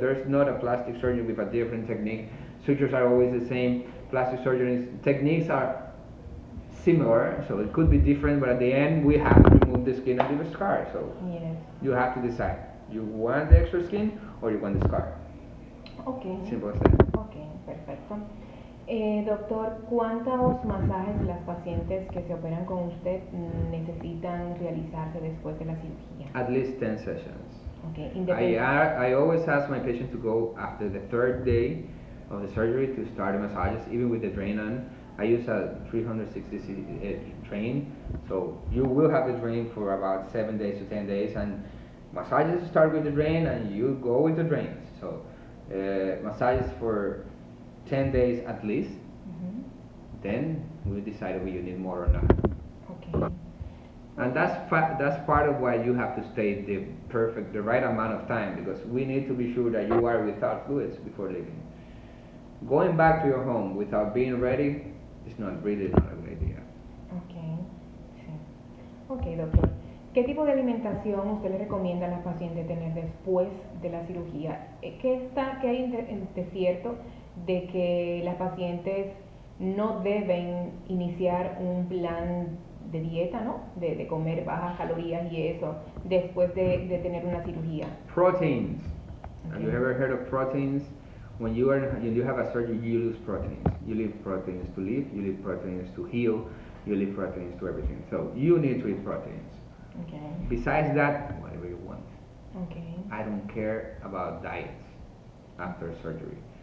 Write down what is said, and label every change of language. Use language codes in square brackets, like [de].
[en] There's not a plastic surgery with a different technique. Sutures are always the same. Plastic surgery techniques are similar, so it could be different, but at the end, we have to remove the skin and leave a scar. So yes. You have to decide. You want the extra skin or you want the scar? Okay. Simple as that. Okay. Perfecto. [es] Doctor, ¿cuántos masajes las pacientes que se operan con usted necesitan realizarse después de la cirugía? [en] At least 10 sessions. Okay. I always ask my patient to go after the third day of the surgery to start the massages, even with the drain on. I use a 360 drain, so you will have the drain for about 7 days to 10 days, and massages start with the drain and you go with the drain. So massages for 10 days at least, mm-hmm. then we decide if you need more or not. Okay. And that's part of why you have to stay the right amount of time, because we need to be sure that you are without fluids before leaving. Going back to your home without being ready is not a good idea. Okay. Sí. Okay, doctor. [es] ¿Qué tipo de alimentación usted le recomienda a las pacientes tener después de la cirugía? ¿Qué hay de cierto de que las pacientes no deben iniciar un plan de dieta, ¿no? De comer bajas calorías y eso después de tener una cirugía. [en] Proteins. Okay. Have you ever heard of proteins? When you have a surgery, you lose proteins. You leave proteins to live, you leave proteins to heal, you leave proteins to everything. So you need to eat proteins. Okay. Besides that, whatever you want. Okay. I don't care about diets after surgery.